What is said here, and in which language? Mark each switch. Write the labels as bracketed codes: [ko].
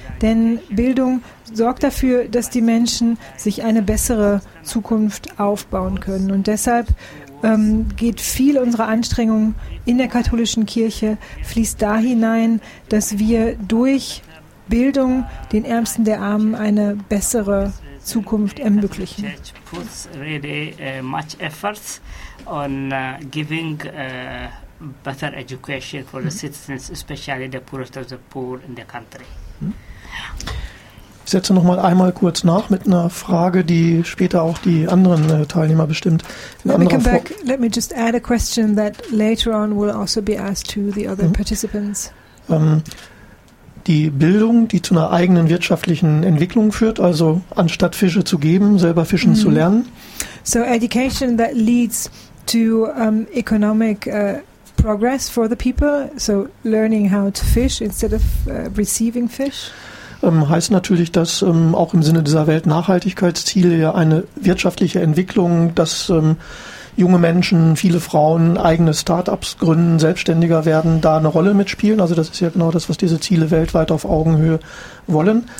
[de] Denn Bildung sorgt dafür, dass die Menschen sich eine bessere Zukunft aufbauen können. Und deshalb geht viel unserer Anstrengung in der katholischen Kirche, fließt da hinein, dass wir durch Bildung den Ärmsten der Armen eine bessere Zukunft ermöglichen. [en] Puts really much efforts on giving better education for the citizens, especially the poorest of the poor in the country. [de] Ich setze noch mal einmal kurz nach mit einer Frage, die später auch die anderen Teilnehmer bestimmt. [en] Let me just add a question that later on will also be asked to the other participants. [de] Die Bildung, die zu einer eigenen wirtschaftlichen Entwicklung führt, also anstatt Fische zu geben, selber fischen zu lernen. [en] So education that leads to economic progress for the people, so learning how to fish instead of receiving fish. [de] Heißt natürlich, dass auch im Sinne dieser Weltnachhaltigkeitsziele ja eine wirtschaftliche Entwicklung, dass junge Menschen, viele Frauen eigene Start-ups gründen, selbstständiger werden, da eine Rolle mitspielen. Also das ist ja genau das, was diese Ziele weltweit auf Augenhöhe wollen.